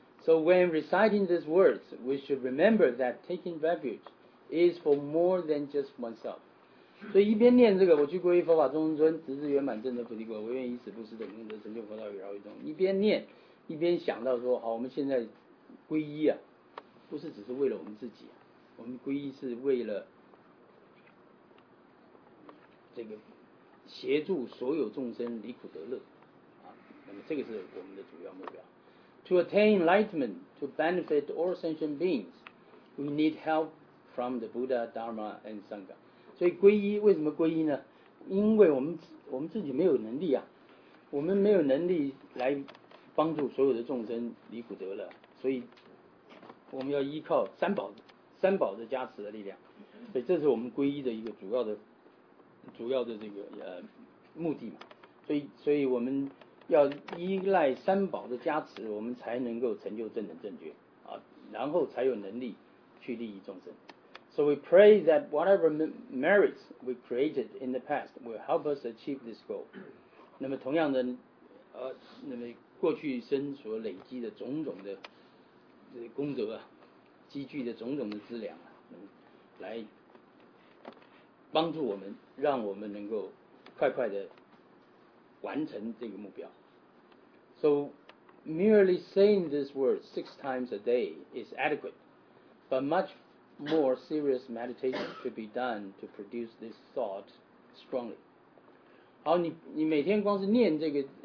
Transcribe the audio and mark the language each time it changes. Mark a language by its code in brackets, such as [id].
[en] So when reciting these words, we should remember that taking refuge is for more than just oneself. [zh] 所以一边念这个，我去皈依佛法众生尊，直至圆满证得菩提果，唯愿以此布施等功德成就佛道，以饶于众生。一边念。一边想到说好，我们现在皈依啊，不是只是为了我们自己、啊、我们皈依是为了这个协助所有众生离苦得乐、啊、那么这个是我们的主要目标。 [en] To attain enlightenment, to benefit all sentient beings, we need help from the Buddha, Dharma and Sangha. [zh] 所以皈依为什么皈依呢？因为我们自己没有能力啊，我们没有能力来帮助所有的众生离苦得乐，所以我们要依靠三宝的加持的力量，所以这是我们皈依的一个主要的这个目的嘛。所以我们要依赖三宝的加持，我们才能够成就正等正觉啊，然后才有能力去利益众生。 [en] So we pray that whatever merits we created in the past will help us achieve this goal. [zh] 那么同样的，那么过去生所累积的种种的功德啊，积聚的种种的资粮啊，来帮助我们，让我们能够快快的完成这个目标。 [en] So merely saying this word six times a day is adequate, but much more serious meditation should be done to produce this thought strongly. [zh] 好，你每天光是念这个